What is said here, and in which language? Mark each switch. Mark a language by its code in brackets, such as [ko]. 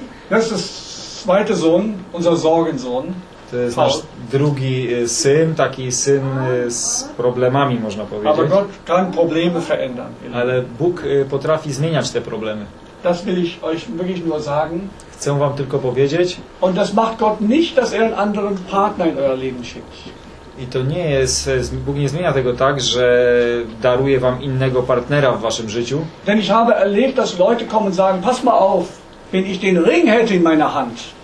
[de] Das ist zweite Sohn, unser Sorgensohn. [pl] To jest nasz drugi syn, taki syn z problemami, można powiedzieć. [de] Aber Gott kann Probleme verändern. [pl] Ale Bóg potrafi zmieniać te problemy. [de] Das will ich euch wirklich nur sagen. [pl] Chcę wam tylko powiedzieć. [de] Und das macht Gott nicht, dass er einen anderen Partner in euer Leben schickt. [pl] I to nie jest, Bóg nie zmienia tego tak, że daruje wam innego partnera w waszym życiu. [de] Denn ich habe erlebt, dass Leute kommen und sagen, pass mal auf, wenn ich den Ring hätte in meiner Hand.